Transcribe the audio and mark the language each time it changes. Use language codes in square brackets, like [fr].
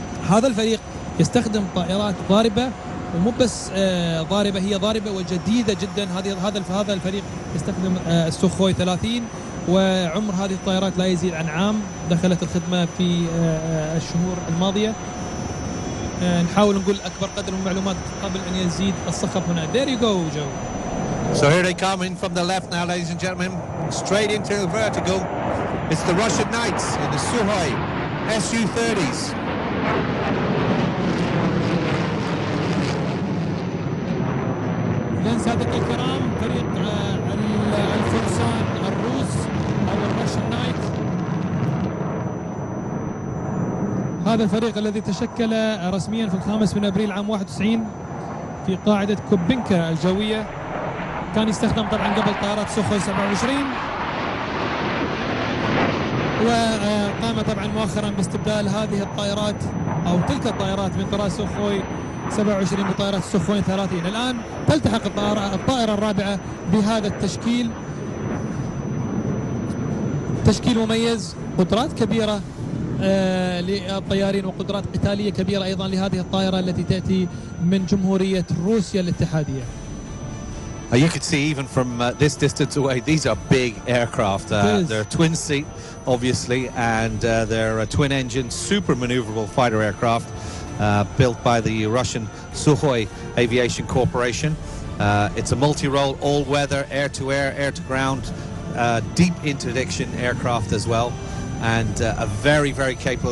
[ar] هذا الفريق يستخدم طائرات ضاربة، ومو بس ضاربة، هي ضاربة وجديدة جدا. هذا الفريق يستخدم السوخوي 30، وعمر هذه الطائرات لا يزيد عن عام، دخلت الخدمة في الشهور الماضية. نحاول نقول أكبر قدر من المعلومات قبل أن يزيد الصخب هنا. [en] There you go, Joe. So here they come in from the left now, ladies and gentlemen, straight into the vertical. It's the Russian Knights in the Sukhoi Su-30s. [ar] لانس هذا الكرام فريق الفرسان الروس او الروشن نايت. هذا الفريق الذي تشكل رسميا في 5 أبريل عام 1991 في قاعدة كوبينكا الجوية، كان يستخدم طبعا قبل طائرات سوخوي 27، وقام طبعا مؤخرا باستبدال هذه الطائرات أو تلك الطائرات من طراز سوخوي 27 بطائرات سوخوي 30. الآن تلتحق الطائرة الرابعة بهذا التشكيل، تشكيل مميز، قدرات كبيرة للطيارين وقدرات قتالية كبيرة أيضا لهذه الطائرة التي تأتي من جمهورية روسيا الاتحادية. [en] You could see even from this distance away, these are big aircraft. They're a twin seat, obviously, and they're a twin engine, super maneuverable fighter aircraft built by the Russian Sukhoi Aviation Corporation. It's a multi-role, all-weather, air-to-air, air-to-ground, deep interdiction aircraft as well, and a very, very capable.